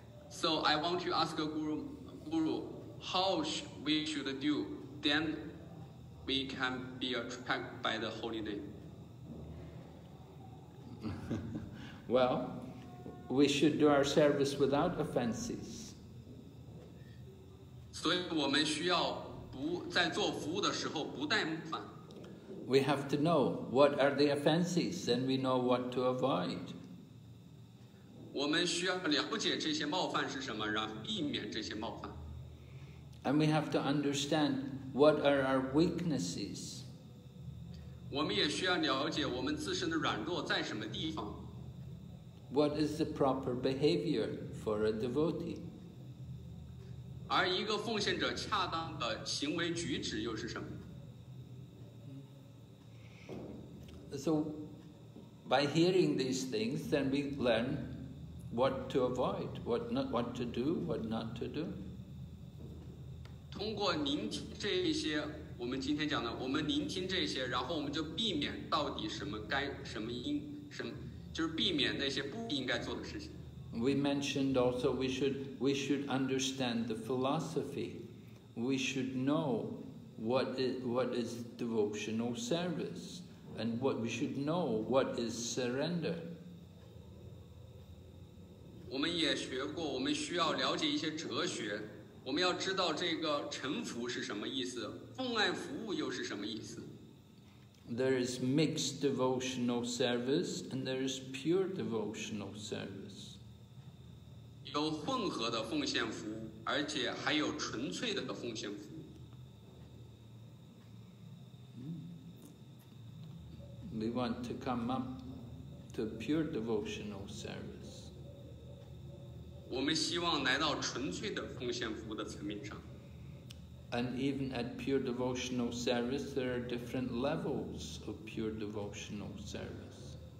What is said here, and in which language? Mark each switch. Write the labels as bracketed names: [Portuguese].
[English] So I want to ask Guru, how we should do, then we can be attracted by the holy name. Well, we should do our service without offenses. [Chinese] 所以我们需要不在做服务的时候不带冒犯。 [English] We have to know what are the offenses, and we know what to avoid. [Chinese] 我们需要了解这些冒犯是什么，然后避免这些冒犯。 [English] And we have to understand what are our weaknesses. [Chinese] 我们也需要了解我们自身的软弱在什么地方。 [English] What is the proper behavior for a devotee? [Chinese] 而一个奉献者恰当的行为举止又是什么？ [English] So, by hearing these things, then we learn what to avoid, what to do, what not to do. [Chinese] 通过聆听这些，我们今天讲的，我们聆听这些，然后我们就避免到底什么该什么应什么，就是避免那些不应该做的事情。 [English] We mentioned also we should understand the philosophy. We should know what is devotional service. And what we should know, what is surrender. [Chinese] 我们也学过，我们需要了解一些哲学。我们要知道这个臣服是什么意思，奉爱服务又是什么意思。 [English] There is mixed devotional service, and there is pure devotional service. [Chinese] 有混合的奉献服务，而且还有纯粹的奉献服务。 [English] We want to come up to pure devotional service. [Chinese] 我们希望来到纯粹的奉献服务的层面上。 [English] And even at pure devotional service, there are different levels of pure devotional service.